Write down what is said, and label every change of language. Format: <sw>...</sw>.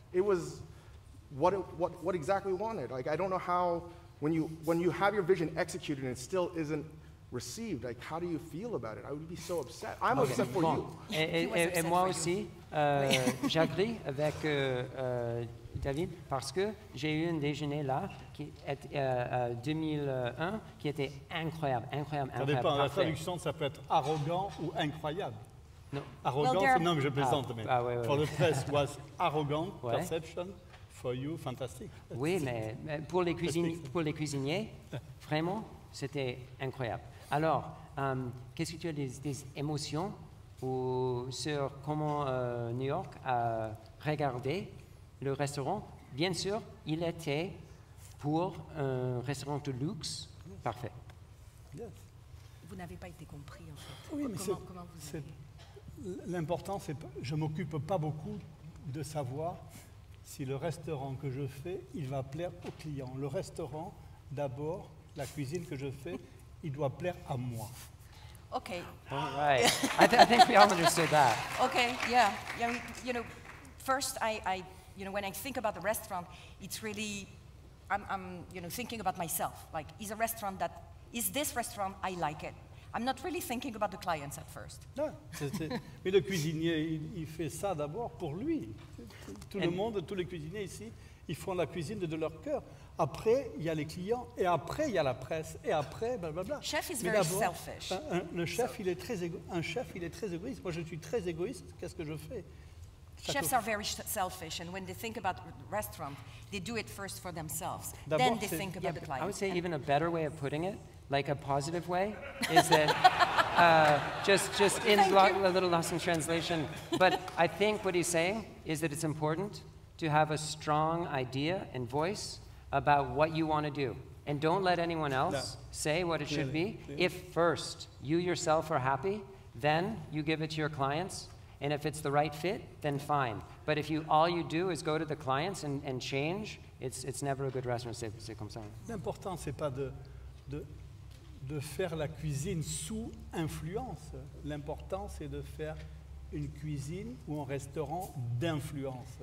<en>It was what exactly wanted. Like, I don't know how, when you have your vision executed and it still isn't received, like, how do you feel about it? I would be so upset. I'm okay. Upset for</en> <fr>bon.</fr> <en>You.</en> <fr>Et moi aussi, j'agris avec David, parce que j'ai eu un déjeuner là, qui est 2001, qui était incroyable. Ça dépend, la traduction, ça peut être arrogant ou incroyable. Non. Arrogant,</fr> <en>well,</en> <fr>non, je plaisante, ah, mais ah, oui.</fr> <en>For the press was arrogant, ouais. Perception, for you, fantastic.</en> <fr>Oui, mais pour les cuisiniers, vraiment, c'était incroyable. Alors, qu'est-ce que tu as des émotions ou sur comment New York a regardé le restaurant? Bien sûr, il était pour un restaurant de luxe. Yes. Parfait.</fr> <en>Yes.</en> <fr>Vous n'avez pas été compris, en fait. Oui, mais comment vous avez... L'important, c'est que je ne m'occupe pas beaucoup de savoir si le restaurant que je fais, il va plaire aux clients. Le restaurant, d'abord, la cuisine que je fais, il doit plaire à moi.</fr> <en>OK. All right. I think we all understood that. OK, yeah. You know, first, I you know, when I think about the restaurant, it's really, I'm thinking about myself. Like, is this restaurant I like it? I'm not really thinking about the clients at first.</en> <fr>Non, c'est, mais le cuisinier, il fait ça d'abord pour lui. Tous les cuisiniers ici, ils font la cuisine de leur cœur. Après, il y a les clients, et après, il y a la presse, et après, blablabla.</fr> <en>Chef is very selfish.</en> <fr>Un chef, il est très égoïste. Moi, je suis très égoïste. Qu'est-ce que je fais?</fr> <en>Chefs are very selfish, and when they think about restaurant, they do it first for themselves. D'abord, then they think about the clients. I would say even a better way of putting it, like a positive way, is that just in a little lost in translation. But I think what he's saying is that it's important to have a strong idea and voice about what you want to do. And don't let anyone else say what it should be. Clearly. If first you yourself are happy, then you give it to your clients. And if it's the right fit, then fine. But if all you do is go to the clients and change, it's never a good restaurant.</en> <fr>C'est comme ça. L'important, c'est pas de faire la cuisine sous influence. L'important, c'est de faire une cuisine ou un restaurant d'influence.</fr>